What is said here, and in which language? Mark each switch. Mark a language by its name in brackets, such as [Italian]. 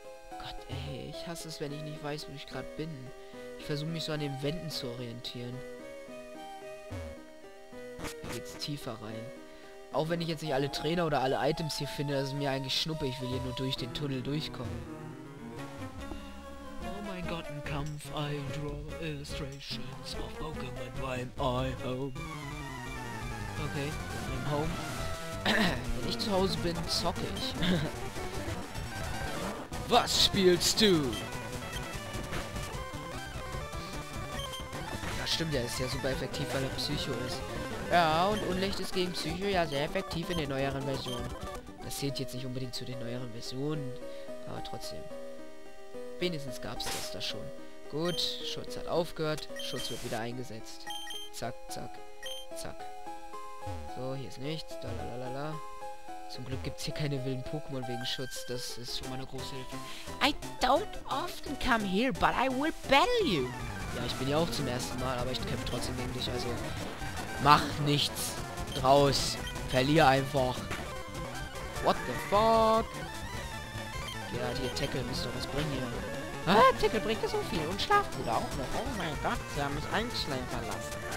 [German] Gott, ey, ich hasse es, wenn ich nicht weiß, wo ich gerade bin. Ich versuche mich so an den Wänden zu orientieren. Hier geht's tiefer rein. Auch wenn ich jetzt nicht alle Trainer oder alle Items hier finde, das ist mir eigentlich schnuppe. Ich will hier nur durch den Tunnel durchkommen. Oh mein Gott, ein Kampf. [English] I draw illustrations of Pokémon while I home. Okay, I'm home. [German] Wenn ich zu Hause bin, zocke ich. Was spielst du? Ja, stimmt, der ist ja super effektiv, weil er Psycho ist. Ja, und Unlicht ist gegen Psycho ja sehr effektiv in den neueren Versionen. Das zählt jetzt nicht unbedingt zu den neueren Versionen, aber trotzdem. Wenigstens gab es das da schon. Gut, Schutz hat aufgehört, Schutz wird wieder eingesetzt. Zack, zack, zack. So, hier ist nichts. Da, la, la, la, la. Zum Glück gibt es hier keine wilden Pokémon wegen Schutz. Das ist schon mal eine große Hilfe. [English] I don't often come here, but I will battle you. [German] Ja, ich bin ja auch zum ersten Mal, aber ich kämpfe trotzdem gegen dich. Also, mach nichts draus. Verlier einfach. [English] What the fuck? [German] Ja, die Tackle müsste doch was bringen hier. Ah, Tackle bringt ja so viel. Und Schlafbruder auch noch. Oh mein Gott, sie haben es einschleim verlassen.